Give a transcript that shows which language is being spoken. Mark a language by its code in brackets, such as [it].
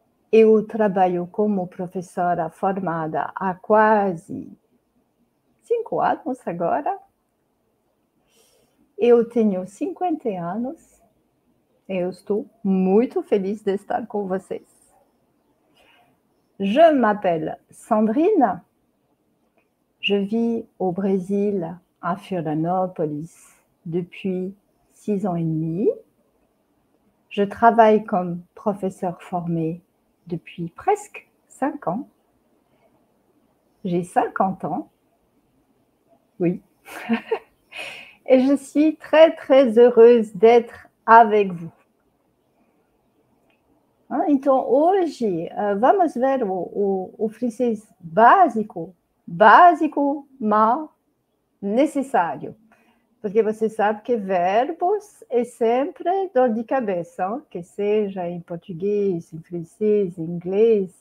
[pt] Eu trabalho como professora formada há quase 5 anos agora. Eu tenho 50 anos. Eu estou muito feliz de estar com vocês. [fr] Je m'appelle Sandrine. Je vis au Brésil, à Florianópolis, depuis 6 ans et demi. Je travaille comme professeur formé depuis presque 5 ans. J'ai 50 ans. Oui, et je suis très, très heureuse d'être avec vous. [pt] Então, hoje, vamos ver o francês básico, básico, mas necessário. Porque você sabe que verbos é sempre dor de cabeça, hein? Que seja em português, em francês, em inglês.